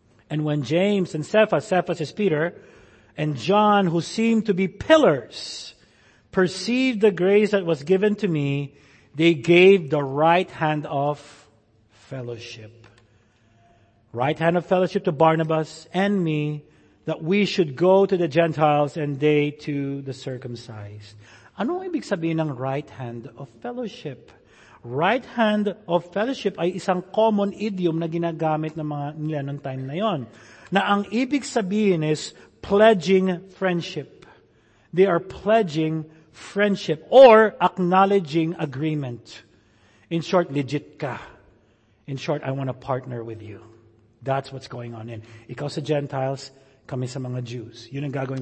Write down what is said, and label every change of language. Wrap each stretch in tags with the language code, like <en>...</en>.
<en>And when James and Cephas is Peter, and John, who seemed to be pillars, perceived the grace that was given to me, they gave the right hand of fellowship. Right hand of fellowship to Barnabas and me, that we should go to the Gentiles and they to the circumcised.</en> <tl>Ano ang ibig sabihin ng right hand of fellowship? Right hand of fellowship ay isang common idiom na ginagamit ng mga nila ng time na yon. Na ang ibig sabihin is</tl> <en>pledging friendship. They are pledging friendship or acknowledging agreement. In short,</en> <tl>legit ka.</tl> <en>In short, I want to partner with you. That's what's going on.</en> <tl>And ikaw sa Gentiles, kami sa mga Jews. Yun ang gagawin.</tl>